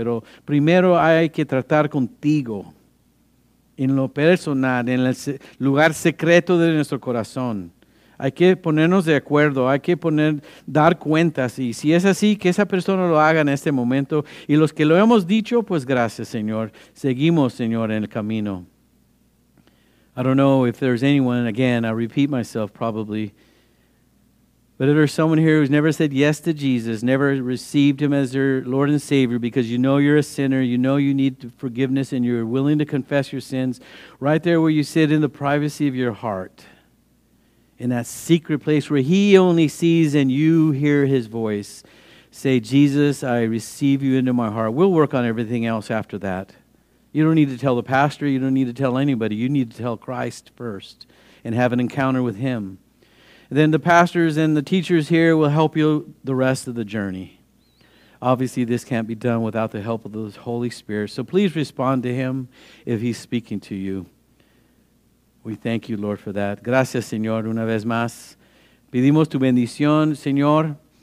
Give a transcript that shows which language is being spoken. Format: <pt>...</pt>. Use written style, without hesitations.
<es>Pero primero hay que tratar contigo en lo personal, en el lugar secreto de nuestro corazón. Hay que ponernos de acuerdo, hay que dar cuentas. Y si es así, que esa persona lo haga en este momento. Y los que lo hemos dicho, pues gracias, Señor. Seguimos, Señor, en el camino.</es> <en>I don't know if there's anyone, again, I repeat myself probably, but if there's someone here who's never said yes to Jesus, never received Him as their Lord and Savior, because you know you're a sinner, you know you need forgiveness, and you're willing to confess your sins, right there where you sit in the privacy of your heart, in that secret place where He only sees and you hear His voice, say, Jesus, I receive you into my heart. We'll work on everything else after that. You don't need to tell the pastor. You don't need to tell anybody. You need to tell Christ first and have an encounter with Him. And then the pastors and the teachers here will help you the rest of the journey. Obviously, this can't be done without the help of the Holy Spirit. So please respond to Him if He's speaking to you. We thank you, Lord, for that.</en> <es>Gracias, Señor, una vez más. Pedimos tu bendición, Señor.</es>